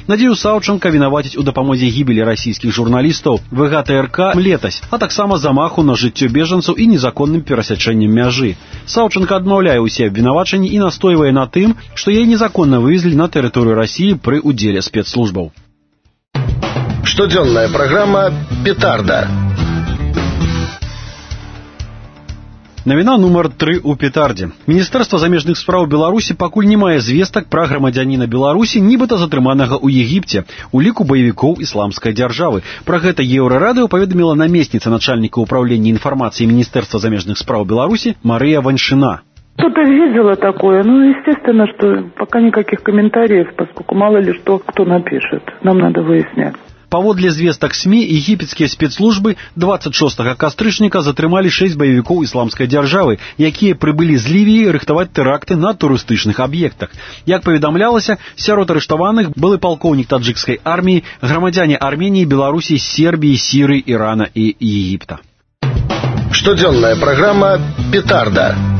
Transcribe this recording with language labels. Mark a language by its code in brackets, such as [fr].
[be] Надзею Саўчанка вінаваціць у дапамозе гібелі расійскіх журналістаў ВГТРК летась, а таксама замаху на жыццё бежанцаў і незаконным перасячэннем мяжы. Саўчанка адмаўляе ўсе абвінавачанні і настойвае на тым, што яе незаконна вывезлі на тэрыторыю Расіі пры ўдзеле спецслужбаў. Штодзённая праграма «Петарда». Навіна нумар 3 у «Петардзе». Міністэрства замежных справ Беларусі пакуль не мае звестак пра грамадзяніна Беларусі, нібыта затрыманага ў Егіпце, у ліку баевікоў ісламскай дзяржавы. Пра гэта Еўрарадыё паведаміла намесніца начальніка ўправлення інфармацыі Міністэрства замежных справ Беларусі Марыя Ваншына. [ru] Кто-то видела такое, ну, естественно, что пока никаких комментариев, поскольку мало ли что, кто напишет. Нам надо выяснять. [be] Паводле звестак СМІ, егіпецкія спецслужбы 26 кастрычніка затрымалі 6 баевікоў ісламскай дзяржавы, якія прыбылі з Лівіі рыхтаваць тэракты на турыстычных аб'ектах. Як паведамлялася, сярод арыштаваных былы палкоўнік таджыкскай арміі, грамадзяне Арменіі, Беларусі, Сербіі, Сірыі, Ірана і Егіпта. Штодзённая праграма «Петарда».